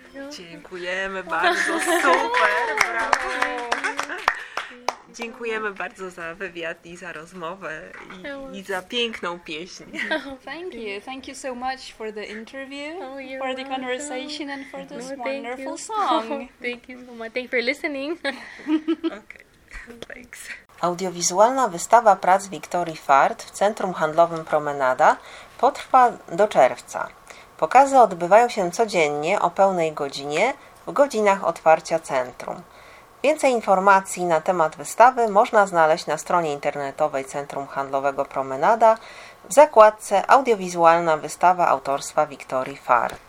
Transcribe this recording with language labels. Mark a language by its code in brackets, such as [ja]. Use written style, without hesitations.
[pl] Dziękujemy bardzo, super, brawo. Dziękujemy bardzo za wywiad i za rozmowę i za piękną pieśń. [en] Thank you so much for the interview, for the conversation and for this wonderful song. Thank you so much. Thank you for listening. Okay, thanks. [pl] Audiowizualna wystawa prac Wiktorii Fart w Centrum Handlowym Promenada potrwa do czerwca. Pokazy odbywają się codziennie o pełnej godzinie w godzinach otwarcia centrum. Więcej informacji na temat wystawy można znaleźć na stronie internetowej Centrum Handlowego Promenada w zakładce Audiowizualna wystawa autorstwa Wiktorii Fart.